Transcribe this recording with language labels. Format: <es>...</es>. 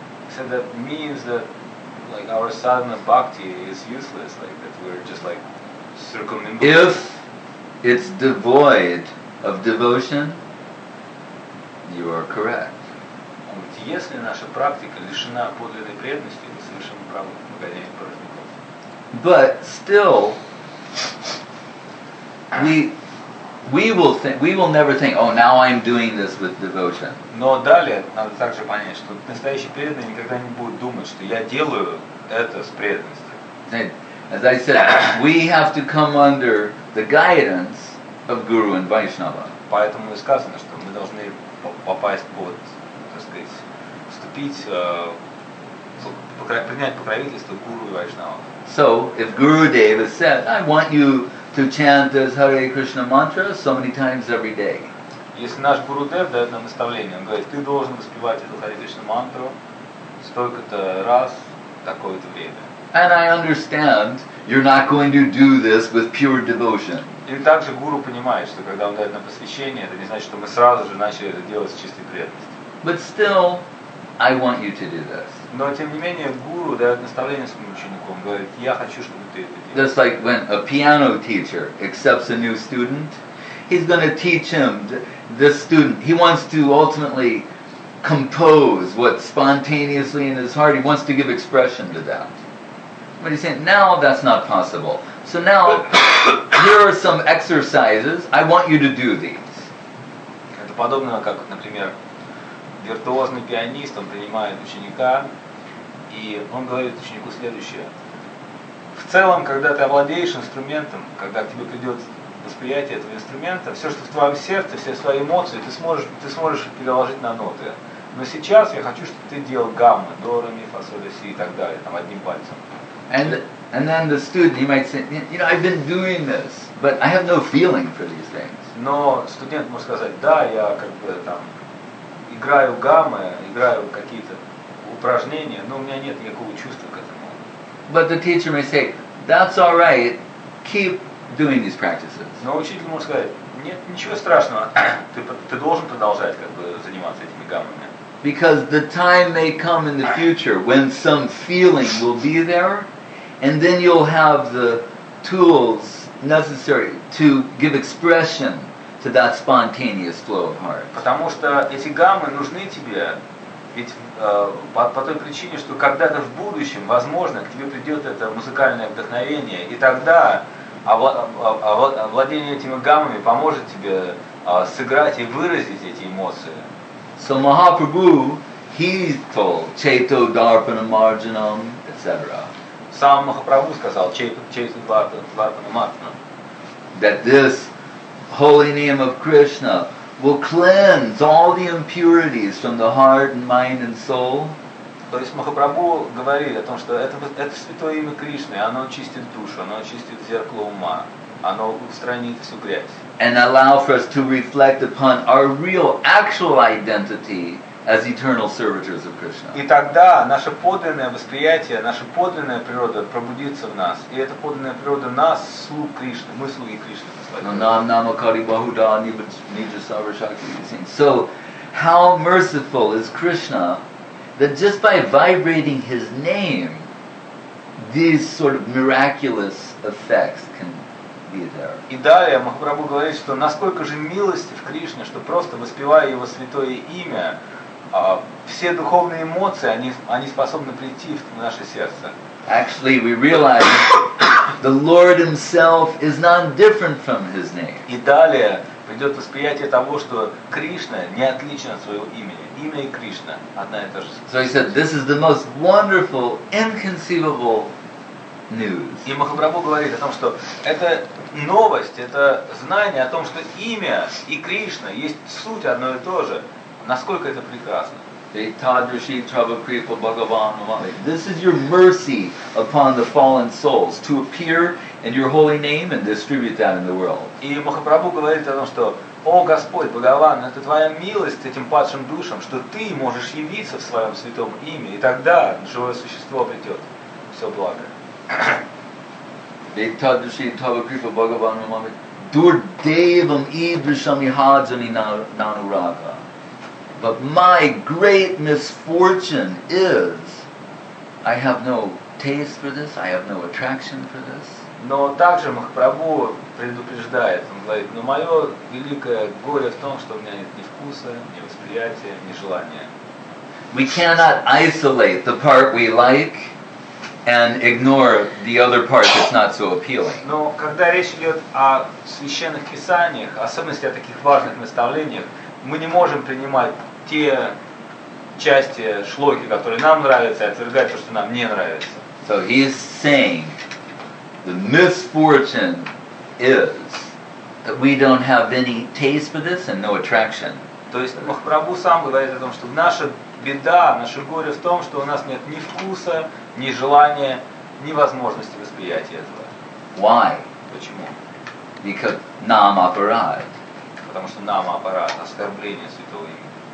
<en>So that means that, like, our sadhana bhakti is useless, like, that we're just, like, circumambulating. If it's devoid of devotion, you are correct.</en> <ru>Если наша практика лишена подлинной преданности, мы совершенно правы в гонении порожников.</ru> <en>But still, we will never think, oh, now I'm doing this with devotion.</en> <ru>Но далее надо также понять, что настоящий преданный никогда не будет думать, что я делаю это с преданностью.</ru> <en>As I said, we have to come under the guidance of Guru and Vaishnava.</en> <ru>Поэтому и сказано, что мы должны попасть под, так сказать, принять покровительство Гуру и Вайшнава.</ru> <en>So, if Gurudev has said, I want you to chant this Hare Krishna mantra so many times every day.</en> <ru>Если наш Гурудев дает нам наставление, он говорит, ты должен воспевать эту Харе Кришна мантру столько-то раз такое-то время.</ru> <en>And I understand you're not going to do this with pure devotion.</en> <ru>И также гуру понимает, что когда он дает нам посвящение, это не значит, что мы сразу же начали это делать с чистой преданностью.</ru> <en>But still, I want you to do this.</en> <ru>Но тем не менее гуру дает наставление своим ученикам, говорит, я хочу, чтобы ты это делал.</ru> <en>Just like when a piano teacher accepts a new student, he's going to teach him this student. He wants to ultimately compose what spontaneously in his heart. He wants to give expression to that. But he's saying, now that's not possible. So now, here are some exercises. I want you to do these.</en> <ru>Это подобно, как, например, виртуозный пианист, он принимает ученика, и он говорит ученику следующее. В целом, когда ты овладеешь инструментом, когда к тебе придет восприятие этого инструмента, все, что в твоем сердце, все свои эмоции, ты сможешь переложить на ноты. Но сейчас я хочу, чтобы ты делал гаммы, до, ре, ми, фа, соль, си и так далее, там, одним пальцем.</ru> <en>And then the student, he might say, you know, I've been doing this, but I have no feeling for these things.</en> <ru>Но студент может сказать, да, я как бы там играю гаммы, играю какие-то упражнения, но у меня нет никакого чувства к этому.</ru> <en>But the teacher may say, that's all right, keep doing these practices.</en> <ru>Но учитель может сказать, нет, ничего страшного, ты должен продолжать как бы заниматься этими гаммами.</ru> <en>Because the time may come in the future when some feeling will be there, and then you'll have the tools necessary to give expression to that spontaneous flow of heart.</en> <ru>Потому что эти гаммы нужны тебе, ведь по той причине, что когда-то в будущем, возможно, к тебе придет это музыкальное вдохновение, и тогда овладение этими гаммами поможет тебе сыграть и выразить эти эмоции.</ru> <en>So Mahaprabhu, he told</en> <sa>Chaito Dharpana Marjanam,</sa> <en>etc.</en> <ru>Сам Махапрабху сказал</ru> <sa>Чейто Дарпана Марджанам.</sa> <en>That this holy name of Krishna will cleanse all the impurities from the heart and mind and soul.</en> <ru>То есть Махапрабху говорит о том, что это святое имя Кришны, оно очистит душу, оно очистит зеркало ума. Оно устранит всю грязь.</ru> <en>And allow for us to reflect upon our real, actual identity as eternal servitors of Krishna.</en> <ru>И тогда наше подлинное восприятие, наша подлинная природа пробудится в нас. И эта подлинная природа нас слуг Кришны, мы слуги Кришны.</ru> <sa>Нам намакари бахуда нибхи саврашакти.</sa> <en>So, how merciful is Krishna that just by vibrating His name, these sort of miraculous effects can</en> <ru>И далее Махапрабху говорит, что насколько же милостив Кришна, что просто воспевая Его святое имя, все духовные эмоции, они способны прийти в наше сердце.</ru> <en>Actually, we realize the Lord Himself is not different from His name.</en> <ru>И далее придет восприятие того, что Кришна не отличен от своего имени. Имя и Кришна одна и та же.</ru> <en>So he said, this is the most wonderful, inconceivable news.</en> <ru>И Махапрабху говорит о том, что это новость, это знание о том, что имя и Кришна есть суть одно и то же. Насколько это прекрасно.</ru> <en>This is your mercy upon the fallen souls to appear in your holy name and distribute that in the world.</en> <ru>И Махапрабху говорит о том, что о Господь, Бхагаван, это твоя милость этим падшим душам, что ты можешь явиться в своем святом имя, и тогда живое существо обретет все благо.</ru> <sa>Vetadushi tava kripa bhagavan mamami durdevam idrishami hajani nanuraga.</sa> <en>But my great misfortune is I have no taste for this, I have no attraction for this.</en> <ru>Но также Махапрабху предупреждает, он говорит, но мое великое горе в том, что у меня нет ни вкуса, ни восприятия, ни желания.</ru> <en>We cannot isolate the part we like and ignore the other part that's not so appealing.</en> <ru>Но когда речь идет о священных писаниях, особенно о таких важных наставлениях, мы не можем принимать те части шлоки, которые нам нравятся, и отвергать то, что нам не нравится.</ru> <en>So he is saying, the misfortune is that we don't have any taste for this and no attraction.</en> <ru>То есть Махапрабху сам говорит о том, что наша беда, наше горе в том, что у нас нет ни вкуса, ни желания, ни возможности восприятия этого.</ru> <en>Why?</en> <ru>Почему?</ru> <en>Because nam aparad.</en> <ru>Потому что nam aparad, оскорбление святого имени.</ru>